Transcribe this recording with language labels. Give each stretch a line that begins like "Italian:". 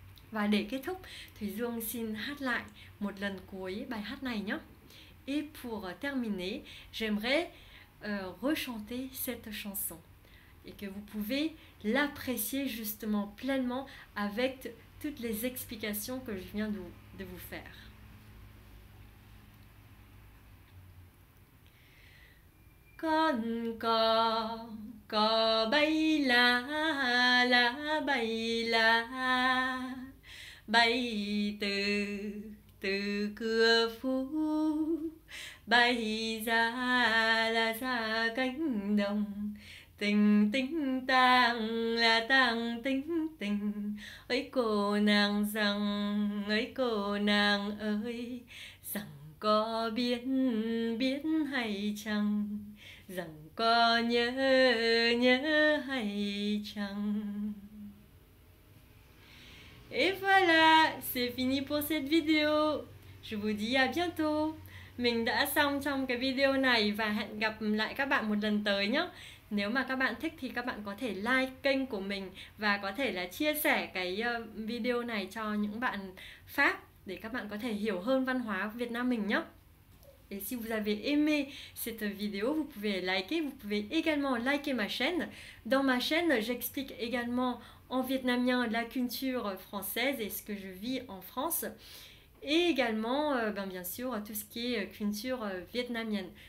Vietnamese: Và để kết thúc, Thùy Dương xin hát lại một lần cuối bài hát này nhé.
French: Et pour terminer, j'aimerais rechanter cette chanson et que vous pouvez l'apprécier justement pleinement avec toutes les explications que je viens de vous faire.
Vietnamese: Con có bay là bay từ từ cửa phố bay ra là ra cánh đồng tình tình tang là tang tình tình ấy cô nàng rằng ấy cô nàng ơi rằng có biết biết hay chăng rằng có nhớ nhớ hay chăng.
French: Et voilà, c'est fini pour cette vidéo. Je vous dis à bientôt.
Vietnamese: Mình đã xong trong cái video này và hẹn gặp lại các bạn một lần tới nhé. Nếu mà các bạn thích thì các bạn có thể like kênh của mình và có thể là chia sẻ cái video này cho những bạn Pháp để các bạn có thể hiểu hơn văn hóa Việt Nam mình nhé.
French: Et si vous avez aimé cette vidéo, vous pouvez liker, vous pouvez également liker ma chaîne. Dans ma chaîne, j'explique également en vietnamien la culture française et ce que je vis en France. Et également, bien sûr, tout ce qui est culture vietnamienne.